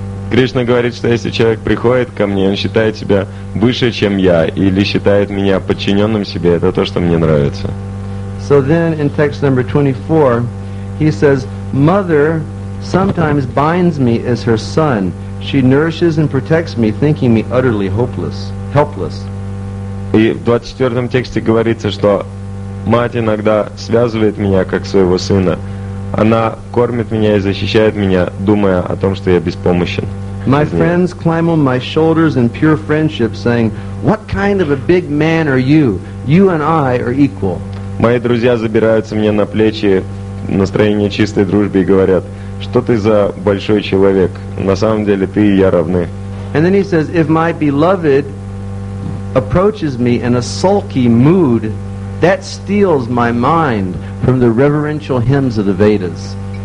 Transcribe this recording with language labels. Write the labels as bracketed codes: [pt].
[ru] Кришна говорит, что если человек приходит ко мне, он считает себя выше, чем я, или считает меня подчиненным себе, это то, что мне нравится. [en] So then in text number 24, he says, mother sometimes binds me as her son. She nourishes and protects me, thinking me utterly helpless. [ru] И в 24 тексте говорится, что мать иногда связывает меня как своего сына. Она кормит меня и защищает меня, думая о том, что я беспомощен. [en] My friends climb on my shoulders in pure friendship, saying, "What kind of a big man are you? You and I are equal." [ru] Мои друзья забираются мне на плечи в настроении чистой дружбы и говорят, что ты за большой человек. На самом деле ты и я равны. [en] And then he says, if my beloved approaches me in a sulky mood, that steals my mind from the reverential hymns of the Vedas.